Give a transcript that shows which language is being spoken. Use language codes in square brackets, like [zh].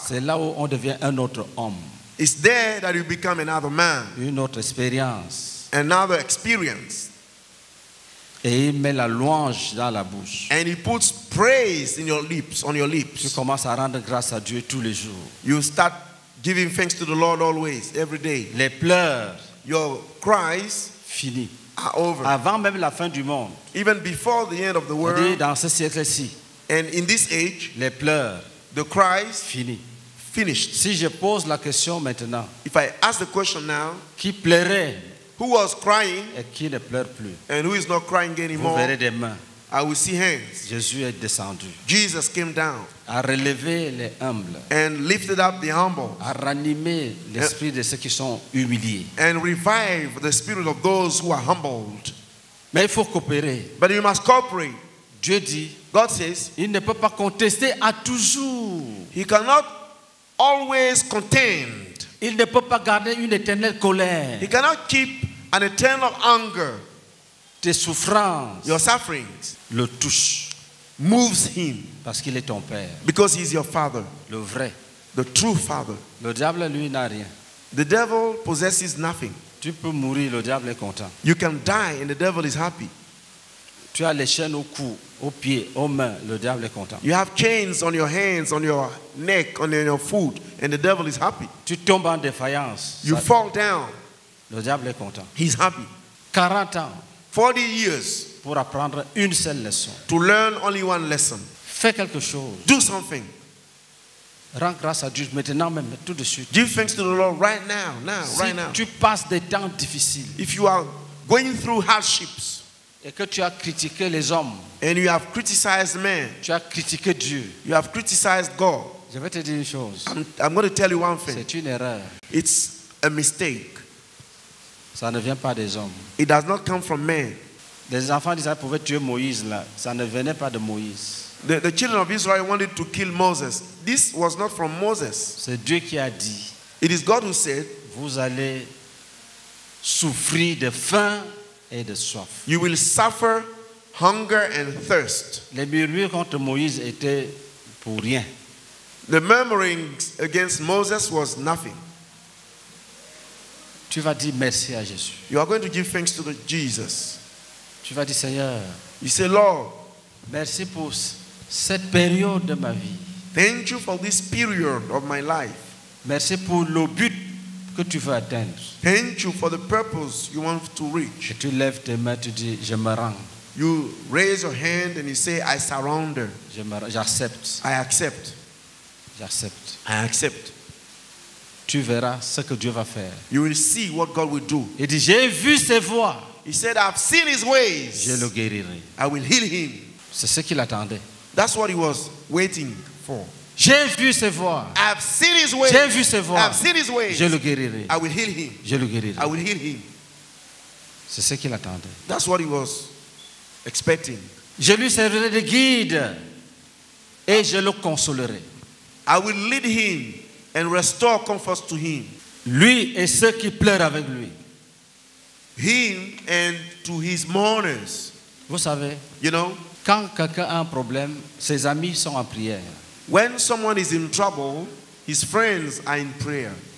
[fr] C'est là où on devient un autre homme. [en] It's there that you become another man. [fr] Une autre expérience. [en] Another experience. [fr] Et il met la louange dans la bouche. [en] And he puts praise in your lips, on your lips. [fr] Tu commences à rendre grâce à Dieu tous les jours. [en] You start giving thanks to the Lord always, every day. [fr] Les pleurs, [en] your cries, [fr] fini, [en] are over. [fr] Avant même la fin du monde, [en] even before the end of the world, [fr] dans ce siècle-ci, [en] and in this age, [fr] les pleurs, [en] the cries, [fr] fini, [en] finished. [fr] Si je pose la question maintenant, [en] if I ask the question now, [fr] qui pleurait, [en] who was crying, [fr] et qui ne pleure plus, [en] and who is not crying anymore, [fr] vous verrez des mains, [en] I will see hands. [fr] Jésus est descendu. [en] Jesus came down. [fr] A relevé les humbles. [en] And lifted up the humble. [fr] A ranimé l'esprit de ceux qui sont humiliés. [en] And revive the spirit of those who are humbled. [fr] Mais il faut coopérer. [en] But you must cooperate. [fr] Dieu dit, [en] God says, [fr] il ne peut pas contester à toujours. [en] He cannot always contend. [fr] Il ne peut pas garder une éternelle colère. [en] He cannot keep an eternal anger. [fr] Tes souffrances, [en] your sufferings, [fr] le touche, [en] moves him, [fr] parce qu'il est ton père, [en] because he is your father, [fr] le vrai, [en] the true father. [fr] Le diable lui n'a rien. [en] The devil possesses nothing. [fr] Tu peux mourir, le diable est content. [en] You can die and the devil is happy. [fr] Tu as les chaînes au cou, aux pieds, aux mains, le diable est content. [en] You have chains on your hands, on your neck, on your foot, and the devil is happy. [fr] Tu tombes en défaillance. [en] You fall down. [fr] Le diable est content. [en] He's happy. [fr] 40 ans. [en] 40 years [fr] pour apprendre une seule leçon. [en] To learn only one lesson. [fr] Fais quelque chose. [en] Do something. [fr] Rends grâce à Dieu maintenant même, tout de suite. [en] Give thanks to the Lord right now, now, [fr] si [en] right now. [fr] Si tu passes des temps difficiles, [en] if you are going through hardships, [fr] et que tu as critiqué les hommes, [en] and you have criticized men, [fr] tu as critiqué Dieu, [en] you have criticized God. [fr] Je vais te dire une chose. [en] I'm going to tell you one thing. [fr] C'est une erreur. [en] It's a mistake. [fr] Ça ne vient pas des hommes. [en] It does not come from men. [fr] Les enfants d'Israël pouvaient tuer Moïse là. Ça ne venait pas de Moïse. [en] The children of Israel wanted to kill Moses. This was not from Moses. [fr] C'est Dieu qui a dit. [en] It is God who said, [fr] vous allez souffrir de faim et de soif. [en] You will suffer hunger and thirst. [fr] Les murmures contre Moïse étaient pour rien. [en] The murmurings against Moses was nothing. [fr] Tu vas dire merci à Jésus. [en] You are going to give thanks to the Jesus. [fr] Tu vas dire Seigneur. [en] You say Lord. [fr] Merci pour cette période de ma vie. [en] Thank you for this period of my life. [fr] Merci pour le but que tu veux atteindre. [en] Paint you for the purpose you want to reach. [fr] Et tu lèves tes mains, tu dis, je me rends. [en] You raise your hand and you say, I surrender. [fr] J'accepte. [en] I accept. [fr] J'accepte. [en] I accept. [fr] Tu verras ce que Dieu va faire. [en] You will see what God will do. [fr] Il dit, j'ai vu ses voies. [en] He said, I've seen his ways. [fr] Je le guérirai. [en] I will heal him. [fr] C'est ce qu'il attendait. [en] That's what he was waiting for. [fr] J'ai vu ses voies. [en] I've seen his ways. [fr] J'ai vu ses voies. [en] I've seen his ways. [fr] Je le guérirai. [en] I will heal him. [fr] Je le guérirai. [en] I will heal him. [fr] C'est ce qu'il attendait. [en] That's what he was expecting. [fr] Je lui servirai de guide et je le consolerai. [en] I will lead him and restore comfort to him. [fr] Lui et ceux qui pleurent avec lui. [en] Him and to his mourners. [fr] Vous savez, [en] you know, [fr] quand quelqu'un a un problème, ses amis sont en prière. [en] When someone is in trouble, his friends are in prayer.